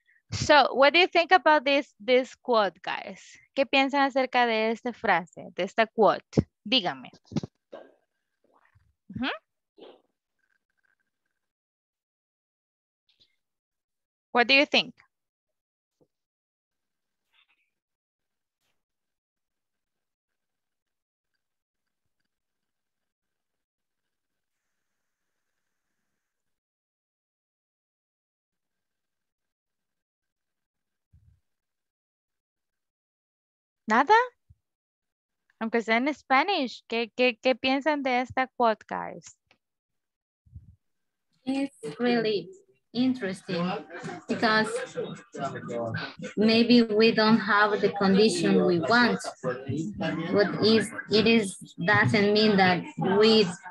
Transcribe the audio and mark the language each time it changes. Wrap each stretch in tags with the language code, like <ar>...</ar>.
<en>So, what do you think about this quote, guys?</en> <es>¿Qué piensan acerca de esta frase, de esta quote? Díganme.</es> <en>What do you think?</en> <es>Nada, aunque sea en Spanish, ¿qué piensan de esta quote, guys?</es> <en>It's really interesting because maybe we don't have the condition we want, but if it doesn't mean that we</en>